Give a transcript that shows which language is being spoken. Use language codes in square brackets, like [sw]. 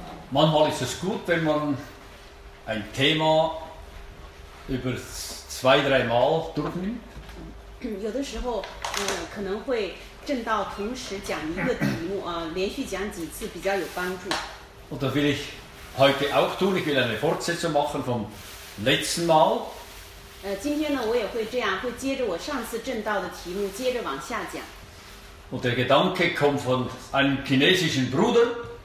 [de] Manchmal ist es gut, wenn man ein Thema über zwei, drei Mal durchnimmt. [zh] 有的时候可能会正道同时讲一个题目，连续讲几次比较有帮助。 [de] Und das will ich heute auch tun. Ich will eine Fortsetzung machen vom letzten Mal. [zh] 今天呢，我也会这样，会接着我上次正道的题目，接着往下讲。 [de] Und der Gedanke kommt von einem chinesischen Bruder.